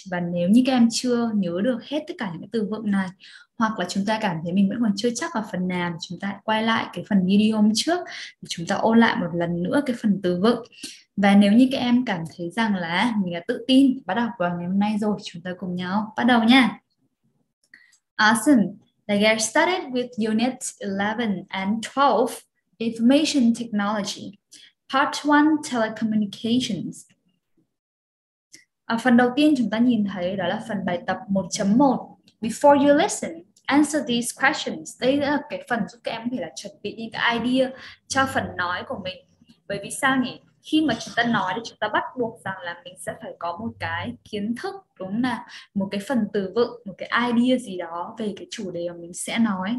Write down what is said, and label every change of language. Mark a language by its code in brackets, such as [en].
[vi] Và nếu như các em chưa nhớ được hết tất cả những cái từ vựng này hoặc là chúng ta cảm thấy mình vẫn còn chưa chắc ở phần nào, chúng ta quay lại cái phần video hôm trước để chúng ta ôn lại một lần nữa cái phần từ vựng. Và nếu như các em cảm thấy rằng là mình đã tự tin bắt đầu vào ngày hôm nay rồi, chúng ta cùng nhau bắt đầu nha. [en] Awesome. Let's get started with unit 11 and 12, Information Technology. Part 1, Telecommunications. [vi] Ở phần đầu tiên chúng ta nhìn thấy đó là phần bài tập 1.1. [en] Before you listen, answer these questions. [vi] Đây là cái phần giúp các em có thể là chuẩn bị những cái idea cho phần nói của mình. Bởi vì sao nhỉ? Khi mà chúng ta nói thì chúng ta bắt buộc rằng là mình sẽ phải có một cái kiến thức, đúng là một cái phần từ vựng, một cái idea gì đó về cái chủ đề mà mình sẽ nói.